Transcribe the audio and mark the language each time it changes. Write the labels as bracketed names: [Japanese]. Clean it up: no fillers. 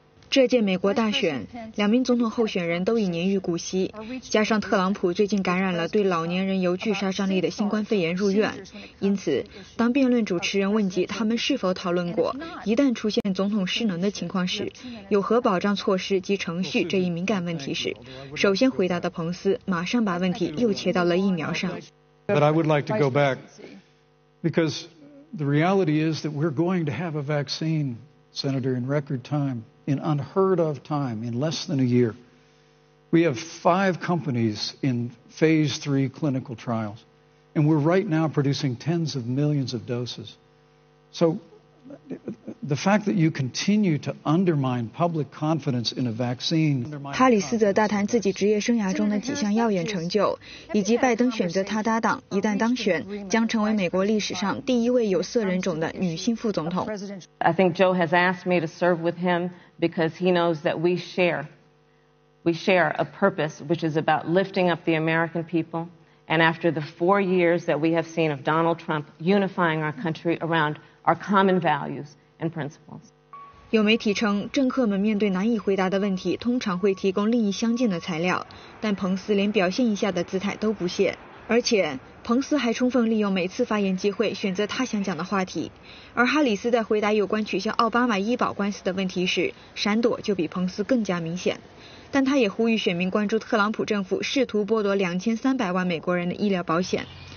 [Chinese] 这届美国大选，两名总统候选人都已年逾古稀，加上特朗普最近感染了对老年人尤具杀伤力的新冠肺炎入院，因此，当辩论主持人问及他们是否讨论过一旦出现总统失能的情况时，有何保障措施及程序这一敏感问题时，首先回答的彭斯马上把问题又切到了疫苗上。 [English] But I would like to go back, because the reality is that we're going to have a vaccine, Senator, in record time. In unheard of time, in less than a year, we have five companies in phase three clinical trials, and we're right now producing tens of millions of doses. So the fact that you continue to undermine public confidence in a vaccine. [Chinese] 哈里斯则大谈自己职业生涯中的几项耀眼成就，以及拜登选择他搭档，一旦当选，将成为美国历史上第一位有色人种的女性副总统。 [English] I think Joe has asked me to serve with him. Because he knows that we share a purpose, which is about lifting up the American people. And after the 4 years that we have seen of Donald Trump unifying our country around our common values and principles. [Chinese] 有媒体称，政客们面对难以回答的问题，通常会提供另一相近的材料，但彭斯连表现一下的姿态都不屑。而且彭斯还充分利用每次发言机会选择他想讲的话题，而哈里斯在回答有关取消奥巴马医保官司的问题时闪躲就比彭斯更加明显，但他也呼吁选民关注特朗普政府试图剥夺2300万美国人的医疗保险。